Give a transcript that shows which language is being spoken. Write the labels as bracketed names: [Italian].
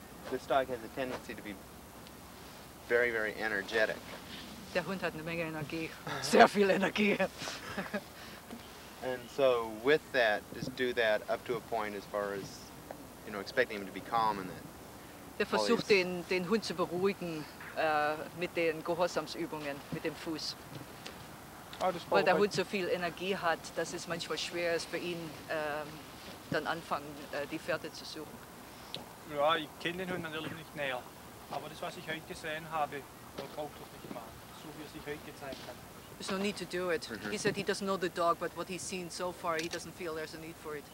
[English] This dog has a tendency to be very, very energetic. [German] Der Hund hat eine Menge Energie, sehr viel Energie. [English] And so with that, just do that up to a point as far as, you know, expecting him to be calm and that. [German] Der versucht den Hund zu beruhigen mit den Gehorsamsübungen mit dem Fuß. Weil der Hund so viel Energie hat, dass es manchmal schwer ist für ihn, dann anfangen, die Fährte zu suchen. Ja, ich kenne den Hund natürlich nicht näher. Aber das, was ich heute gesehen habe, braucht er nicht mal. So wie er sich heute gezeigt hat. [English] There's no need to do it. Mm-hmm. He said he doesn't know the dog, but what he's seen so far, he doesn't feel there's a need for it.